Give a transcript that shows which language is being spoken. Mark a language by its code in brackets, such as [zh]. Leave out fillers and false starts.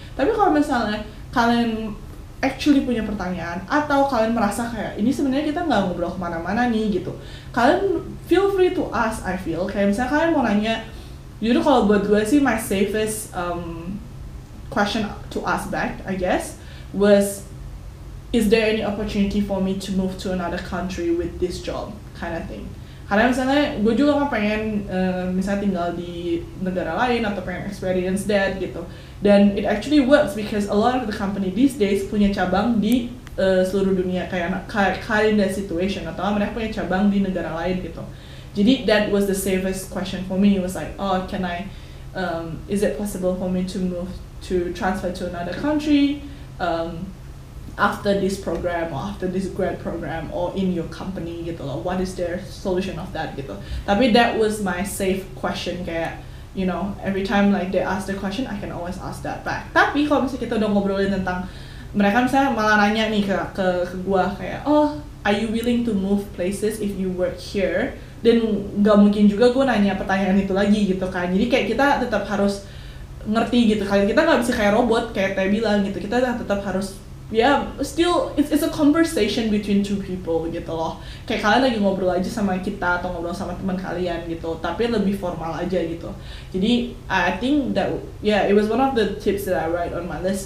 [id] Tapi kalau misalnya kalian actually punya pertanyaan, atau kalian merasa kayak, ini sebenarnya kita nggak ngobrol kemana-mana nih gitu, kalian [en] feel free to ask, I feel. [id] Kayak misalnya kalian mau nanya, [en] you know, [id] kalau buat gue sih, [en] my safest question to ask back, I guess, was, is there any opportunity for me to move to another country with this job, kind of thing. [id] Karena misalnya gue juga gak pengen misalnya tinggal di negara lain atau pengen experience that gitu. Dan [en] it actually works because a lot of the company these days [id] punya cabang di seluruh dunia, kayak [en] in that situation, [id] atau mereka punya cabang di negara lain gitu. [en] Jadi that was the safest question for me. It was like, oh, can I, is it possible for me to move to transfer to another country after this program or after this grad program or in your company [id] gitu loh, [en] what is their solution of that gitu. Tapi that was my safe question, kayak you know every time like they ask the question I can always ask that back. [id] Tapi kalau misalnya kita udah ngobrolin tentang mereka misalnya malah nanya nih ke gua kayak oh [en] are you willing to move places if you work here? [id] Dan gak mungkin juga gue nanya pertanyaan itu lagi gitu kan. Jadi kayak kita tetap harus ngerti gitu kan. Kita gak bisa kayak robot kayak Teh bilang gitu. Kita tetap harus, [en] yeah, still it's a conversation between two people gitu loh. [id] Kayak kalian lagi ngobrol aja sama kita atau ngobrol sama teman kalian gitu. Tapi lebih formal aja gitu. [en] Jadi I think that, yeah, it was one of the tips that I write on my list.